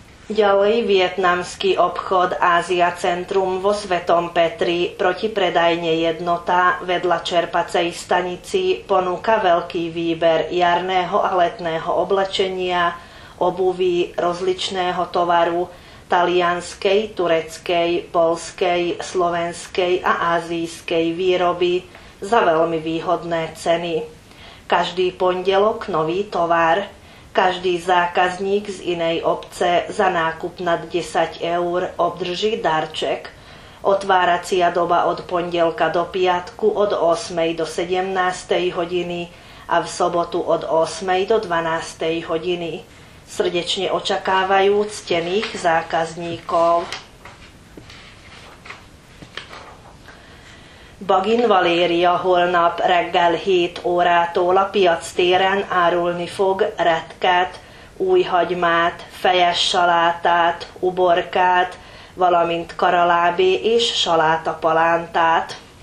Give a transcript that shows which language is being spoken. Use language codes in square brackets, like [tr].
[sk] Ďalej vietnamský obchod Ázia Centrum vo Svetom Petri proti predajne jednota vedľa čerpacej stanici ponúka veľký výber jarného a letného oblečenia, obuvy, rozličného tovaru, talianskej, tureckej, poľskej, slovenskej a ázijskej výroby za veľmi výhodné ceny. Každý pondelok nový tovar. Každý zákazník z inej obce za nákup nad 10 eur obdrží darček. Otváracia doba od pondelka do piatku od 8. do 17. hodiny a v sobotu od 8. do 12. hodiny. Srdečne očakávajú ctených zákazníkov. [hu] Bagin Valéria holnap reggel 7 órától a piac téren árulni fog retket, új hagymát, fejes salátát, uborkát, valamint karalábé és salátapalántát.